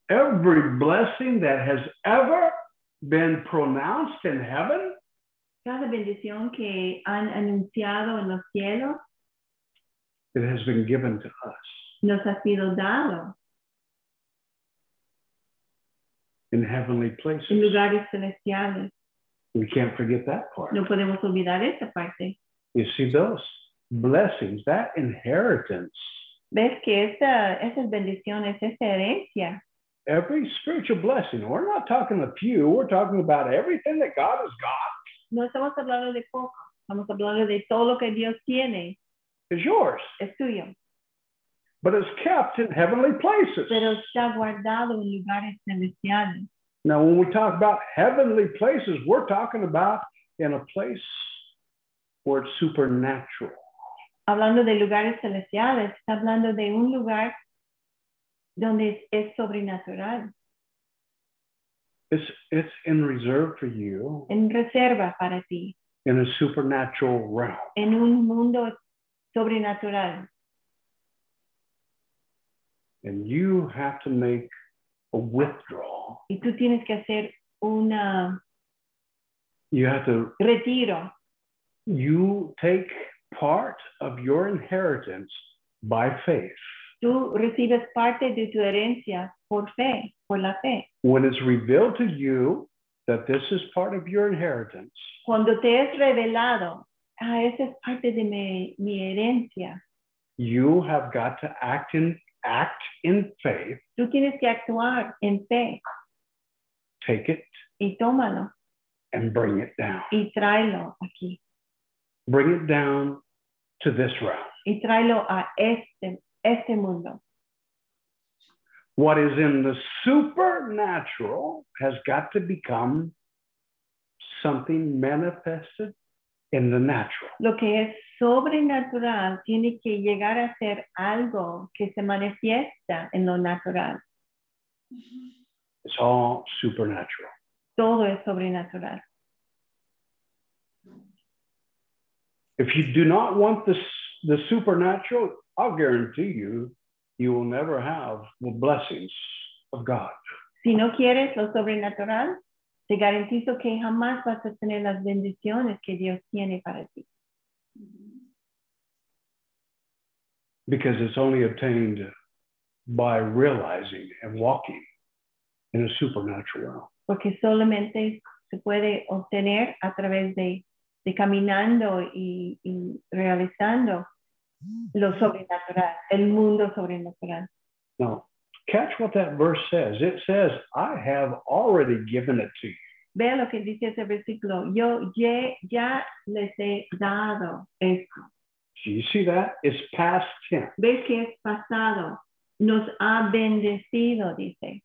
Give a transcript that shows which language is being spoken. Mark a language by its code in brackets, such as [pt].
[en] Every blessing that has ever been pronounced in heaven. [es] Cada bendición que han anunciado en los cielos. [en] It has been given to us. [es] Nos ha sido dado. [en] In heavenly places. [es] En lugares celestiales. [en] We can't forget that part. [es] No podemos olvidar esa parte. [en] You see those blessings, that inheritance. [es] ¿Ves que esas bendiciones, esa herencia? [en] Every spiritual blessing. We're not talking a few. We're talking about everything that God has got. [es] No estamos hablando de poco. Estamos hablando de todo lo que Dios tiene. [en] Is yours. [es] Es tuyo. [en] But it's kept in heavenly places. [es] Pero está guardado en lugares celestiales. [en] Now, when we talk about heavenly places, we're talking about in a place where it's supernatural. [es] Hablando de lugares celestiales, está hablando de un lugar donde es sobrenatural. [en] It's in reserve for you. [es] En reserva para ti. [en] In a supernatural realm. [es] En un mundo sobrenatural. [en] And you have to make a withdrawal. [es] Y tú tienes que hacer una... [en] You have to... [es] Retiro. [en] You take part of your inheritance by faith. [es] Tú recibes parte de tu herencia por fe, por la fe. [en] When it's revealed to you that this is part of your inheritance. [es] Cuando te es revelado, ah, esa es parte de mi herencia. [en] You have got to act in faith. [es] Tú tienes que actuar en fe. [en] Take it. [es] Y tómalo. [en] And bring it down. [es] Y tráelo aquí. [en] Bring it down to this realm. [es] Y tráelo a este mundo. [en] What is in the supernatural has got to become something manifested in the natural. [es] Lo que es sobrenatural tiene que llegar a ser algo que se manifiesta en lo natural. [en] It's all supernatural. [es] Todo es sobrenatural. [en] If you do not want the supernatural, I'll guarantee you, you will never have the blessings of God. [es] Si no quieres lo sobrenatural, te garantizo que jamás vas a tener las bendiciones que Dios tiene para ti. [en] Because it's only obtained by realizing and walking in a supernatural realm. [es] Porque solamente se puede obtener a través de caminando y realizando lo sobrenatural, el mundo sobrenatural. [en] Now, catch what that verse says. It says, I have already given it to you. [es] Ve lo que dice ese versículo. Yo ya les he dado esto. [en] Do you see that? It's past tense. [es] Ve que es pasado. Nos ha bendecido, dice.